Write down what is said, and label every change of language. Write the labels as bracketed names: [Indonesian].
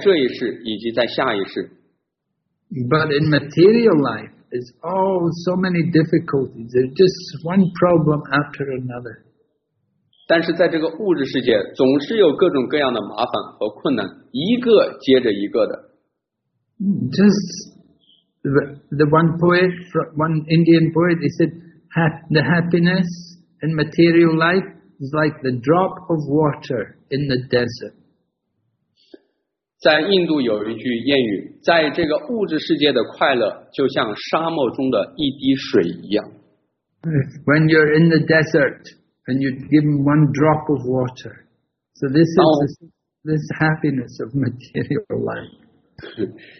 [Chinese] 这样我们才能够变得快乐，在这一世以及在下一世。 [English] But in material life, it's all so many difficulties. There's just one problem after another. [Chinese] 但是在这个物质世界，总是有各种各样的麻烦和困难，一个接着一个的。 [English] Just the one poet, one Indian poet, he said, the happiness in material life is like the drop of water in the desert. [Chinese] 在印度有一句谚语，在这个物质世界的快乐就像沙漠中的一滴水一样。 [English] When you're in the desert, and you're given one drop of water, so this happiness of material life.